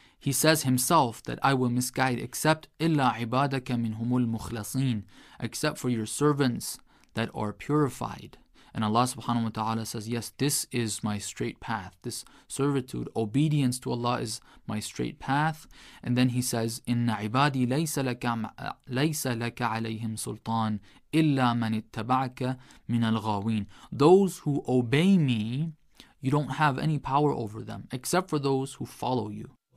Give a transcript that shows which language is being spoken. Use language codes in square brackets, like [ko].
[en] He says himself that I will misguide except [ar] إِلَّا عِبَادَكَ مِنْهُمُ الْمُخْلَصِينَ, [en] except for your servants that are purified. And Allah subhanahu wa ta'ala says, yes, this is my straight path. This servitude, obedience to Allah is my straight path. And then he says, [ar] إِنَّ عِبَادِي لَيْسَ لَكَ عَلَيْهِمْ سُلْطَانٍ إِلَّا مَنِ اتَّبَعَكَ مِنَ الْغَاوِينَ. [en] Those who obey me, you don't have any power over them, except for those who follow you.